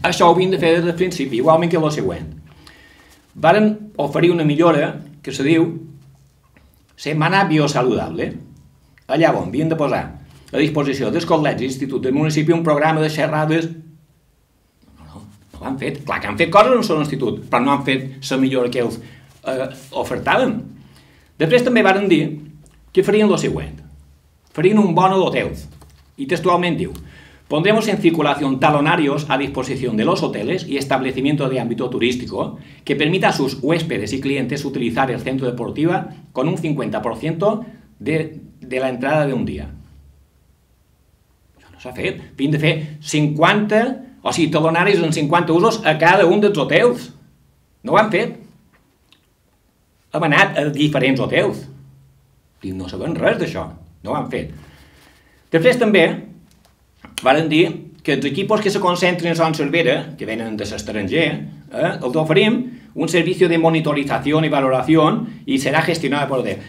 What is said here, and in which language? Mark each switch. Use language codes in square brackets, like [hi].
[ca] Això ho havien de fer des del principi, igualment que el següent. Varen oferir una millora que se diu Setmana Biosaludable, allà on havien de posar a disposició dels col·legis, instituts del municipi, un programa de xerrades. No ho han fet. Clar que han fet coses en el seu institut, però no han fet la millora que els ofertaven. Després també varen dir que farien el següent. Farien un bono d'hotels. [es] Y textualmente digo, pondremos en circulación talonarios a disposición de los hoteles y establecimientos de ámbito turístico que permita a sus huéspedes y clientes utilizar el centro deportivo con un 50% de la entrada de un día. Eso no se ha hecho. Fin de fe, 50 [ca] O sigui, talonaris en 50 usos a cada un dels hotels. No ho han fet. Hem anat a diferents hotels. I no saben res d'això. No ho han fet. Després també, varen dir que els equipos que se concentren a Son Cervera, que venen de l'estranger, els oferim un servicio de monitorització i valoració i serà gestionada per ODE.